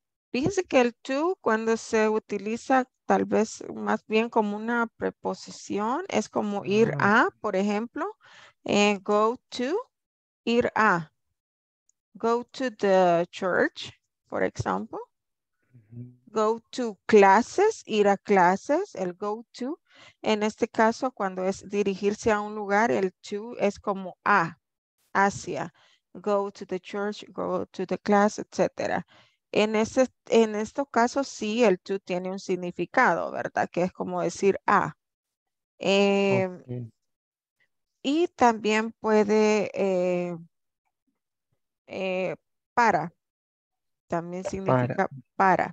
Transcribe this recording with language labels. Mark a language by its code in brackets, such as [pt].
[es] Fíjense que el to, cuando se utiliza tal vez más bien como una preposición, es como ir a, por ejemplo, go to, ir a. [en] Go to the church, for example. Go to classes, [es] ir a clases, [en] el go to. [es] En este caso, cuando es dirigirse a un lugar, el to es como a, hacia. [en] Go to the church, go to the class, etc. [es] En estos casos, sí, el to tiene un significado, ¿verdad? Que es como decir a. Okay. Y también puede... para también significa para.